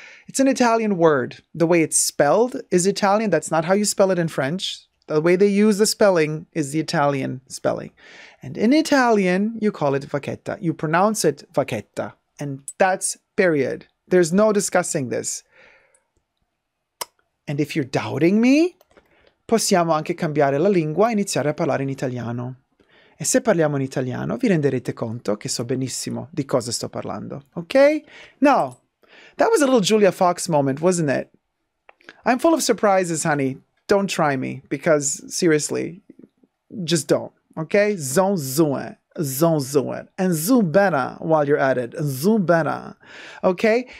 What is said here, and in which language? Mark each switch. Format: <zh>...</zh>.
<en>It's an Italian word. The way it's spelled is Italian. That's not how you spell it in French. The way they use the spelling is the Italian spelling. And in Italian, you call it Vaquetta. You pronounce it Vaquetta. And that's period. There's no discussing this. And if you're doubting me,</en> <it>possiamo anche cambiare la lingua e iniziare a parlare in italiano. E se parliamo in italiano, vi renderete conto che so benissimo di cosa sto parlando, ok?</it> <en>No, that was a little Julia Fox moment, wasn't it? I'm full of surprises, honey. Don't try me, because seriously, just don't, okay? Zon zuen. And zoom better while you're at it. Zoom better. Okay?</en>